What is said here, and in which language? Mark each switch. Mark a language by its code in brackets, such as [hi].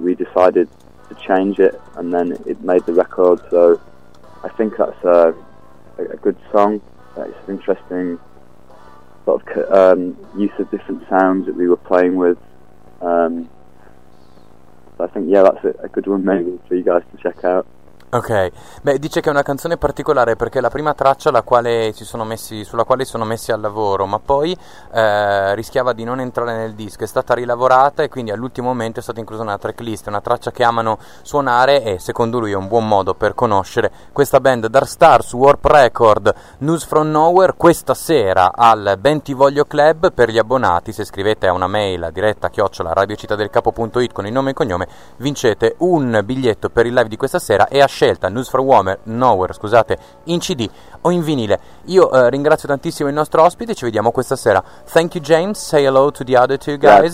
[en] We decided to change it, and then it made the record. So I think that's a good song. It's an interesting sort of use of different sounds that we were playing with. I think, yeah, that's a good one maybe for you guys to check out. [it] Ok, beh, dice che è una canzone particolare perché è la prima traccia sulla quale si sono messi al lavoro, ma poi rischiava di non entrare nel disco, è stata rilavorata e quindi all'ultimo momento è stata inclusa nella tracklist. È una traccia che amano suonare e secondo lui è un buon modo per conoscere questa band. Darkstar su Warp Record, News From Nowhere, questa sera al Bentivoglio Club. Per gli abbonati, se scrivete a una mail a diretta chiocciola radiocittadelcapo.it con il nome e cognome, vincete un biglietto per il live di questa sera e scelta News for Warmer, Nowhere, scusate, in CD o in vinile. Io ringrazio tantissimo il nostro ospite, ci vediamo questa sera. [en] Thank you James, say hello to the other two guys.